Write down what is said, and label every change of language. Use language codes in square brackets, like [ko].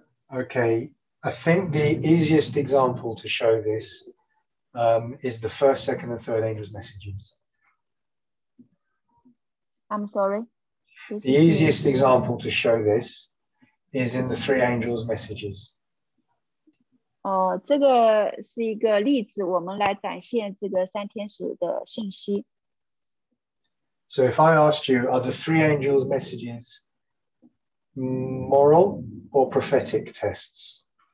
[en] Okay, I think the easiest example to show this is the first, second, and third angels' messages. I'm sorry? The easiest example to show this is in the three angels' messages. [zh] 这个是一个例子，我们来展现这个三天使的信息。 [en] So if I asked you, are the three angels' messages moral or prophetic tests?